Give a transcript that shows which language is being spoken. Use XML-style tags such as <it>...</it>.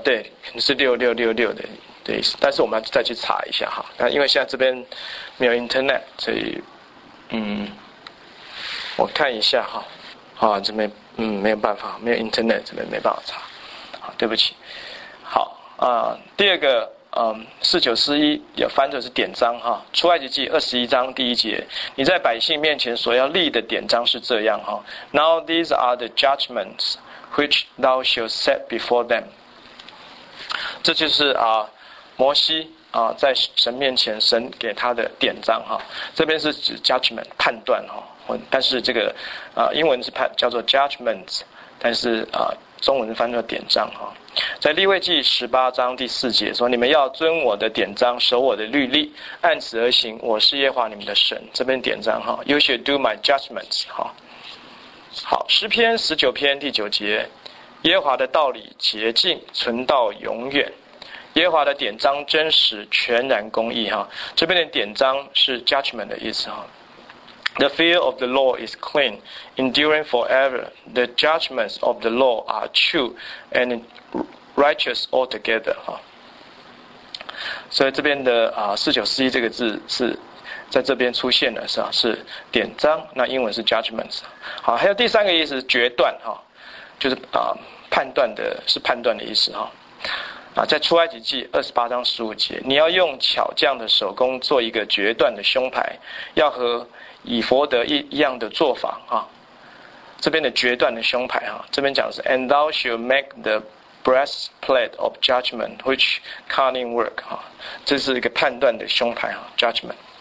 <zh>对，是六六六六的的意思，但是我们要再去查一下哈，那因为现在这边没有 internet， 所以我看一下哈，啊，这边没有办法，没有 internet， 这边没办法查，好，对不起，好啊，第二个。四九四一也翻作是典章哈，出埃及记二十一章第一节，你在百姓面前所要立的典章是这样哈。</zh> <en>Now these are the judgments which thou shalt set before them。</en> <zh>这就是啊，摩西啊在神面前神给他的典章哈。这边是指 judgment 判断哈，但是这个英文是判叫做 judgments， 但是中文翻作典章哈。在利未记十八章第四节说，你们要遵我的典章，守我的律例，按此而行，我是耶和华你们的神。这边典章</zh> <en>You shall do my judgments。</en> <zh>好，诗篇十九篇第九节，耶和华的道理洁净，存到永远，耶和华的典章真实，全然公义。这边的典章是 judgment 的意思。</zh> <en>The fear of the law is clean, enduring forever. The judgments of the law are true and righteous altogether.</en> <zh>所以这边的四九四一这个字是在这边出现的，是吧？是典章，那英文是 judgments。好，还有第三个意思，决断，就是判断的，是判断的意思。在出埃及记二十八章十五节，你要用巧匠的手工做一个决断的胸牌，要和以佛德一样的做法啊，这边的决断的胸牌啊，这边讲的是</zh> <en>And thou shalt make the breastplate of judgment which cunning work</en> <zh>啊，这是一个判断的胸牌啊 ，judgment。</zh>